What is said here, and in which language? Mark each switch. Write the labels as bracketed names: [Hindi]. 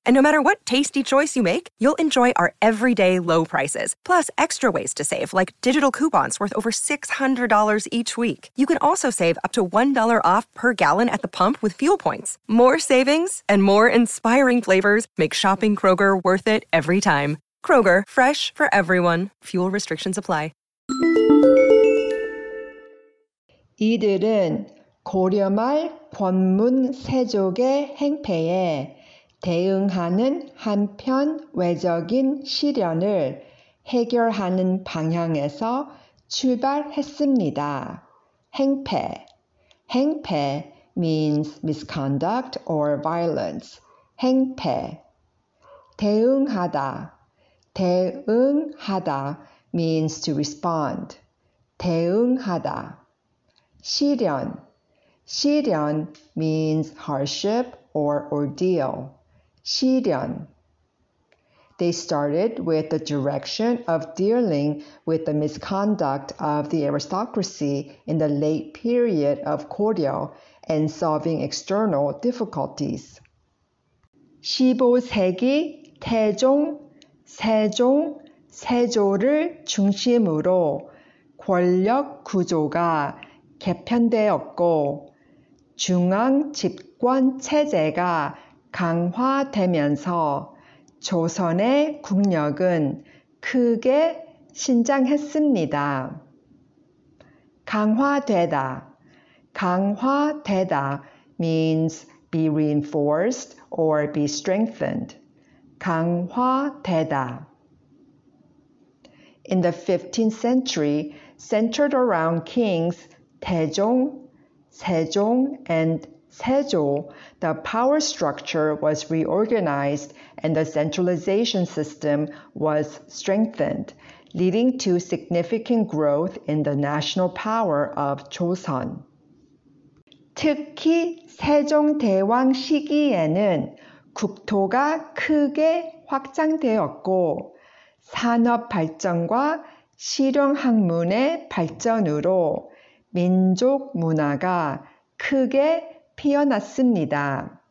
[English] And no matter what tasty choice you make, you'll enjoy our everyday low prices, plus extra ways to save, like digital coupons worth over $600 each week. You can also save up to $1 off per gallon at the pump with fuel points. More savings and more inspiring flavors make shopping Kroger worth it every time. Kroger, fresh for everyone. Fuel restrictions apply. [Korean] 이들은 고려 말 권문 세족의 행패에 대응하는 한편 외적인 시련을 해결하는 방향에서 출발했습니다. 행패. [English] 행패 means misconduct or violence. [Korean] 행패. 대응하다. [English] 대응하다 means to respond. 대응하다. 시련. 시련 means hardship or ordeal. 시련. They started with the direction of dealing with the misconduct of the aristocracy in the late period of Goryeo and solving external difficulties. [Korean] 15세기 태종, 세종, 세조를 중심으로 권력 구조가 개편되었고 중앙 집권 체제가 강화되면서 조선의 국력은 크게 신장했습니다. 강화되다. [English] 강화되다 means be reinforced or be strengthened. [Korean] 강화되다. [English] In the 15th century, centered around kings 태종, 세종, and 세조, the power structure was reorganized and the centralization system was strengthened, leading to significant growth in the national power of Joseon. [Korean] 특히 세종대왕 시기에는 국토가 크게 확장되었고 산업 발전과 실용학문의 발전으로 민족 문화가 크게 피어났습니다.